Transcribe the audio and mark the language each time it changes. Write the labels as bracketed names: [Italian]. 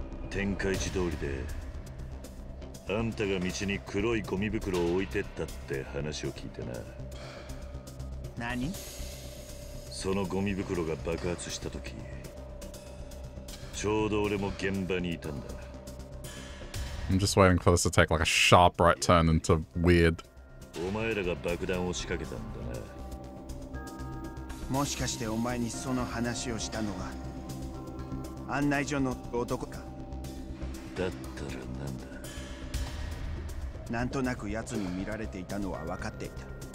[Japanese] 天下一通りで。あんたが道に黒いゴミ袋を置いてったって話を聞いてな。何？そのゴミ袋が爆発した時、ちょうど俺も現場にいたんだ。 [English] I'm just waiting for this to take like a sharp right turn into weird. [Japanese] お前らが爆弾を仕掛けたんだな。もしかしてお前にその話をしたのは案内所の男か？だったらなんだ。なんとなく奴に見られていたのは分かっていた。